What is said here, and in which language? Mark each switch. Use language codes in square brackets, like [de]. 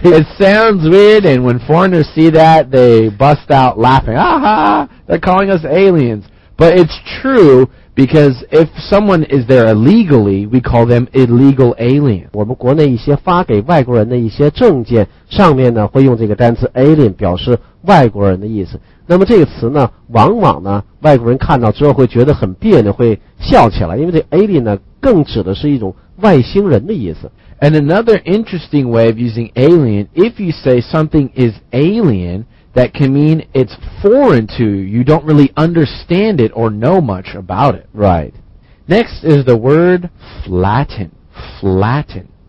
[en] It sounds weird, and when foreigners see that, they bust out laughing. Aha! They're calling us aliens. But it's true, because if someone is there illegally, we call them illegal alien. [zh] 我们国内一些发给外国人的一些证件上面呢，会用这个单词 alien 表示外国人的意思。那么这个词呢，往往呢，外国人看到之后会觉得很别扭，会笑起来，因为这 alien 呢，更指的是一种外星人的意思。 [en] And another interesting way of using alien, if you say something is alien, that can mean it's foreign to you. You don't really understand it or know much about it. Right. Next is the word flatten. Flatten.